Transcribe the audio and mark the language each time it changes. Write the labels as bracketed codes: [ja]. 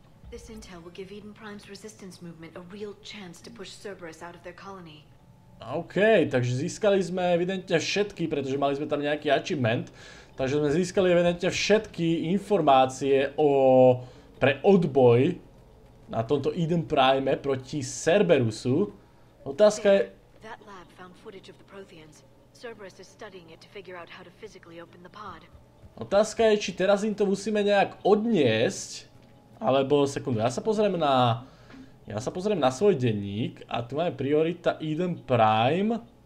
[en] this intel will give Eden Prime's resistance movement a real chance to push Cerberus out of their colony. [sk] OK, takže získali sme evidentne všetky, pretože mali sme tam nejaký achievement. Takže sme získali evidentne všetky informácie o pre odboj na tomto Eden Prime proti Cerberusu. Otázka je... [en] That lab found footage of the Protheans. Cerberus is studying it to figure out how to physically open the pod. [sk] Otázka je, či teraz im to musíme nejak odniesť, alebo sekundu, ja sa pozriem na svoj denník a tu máme priorita Eden Prime.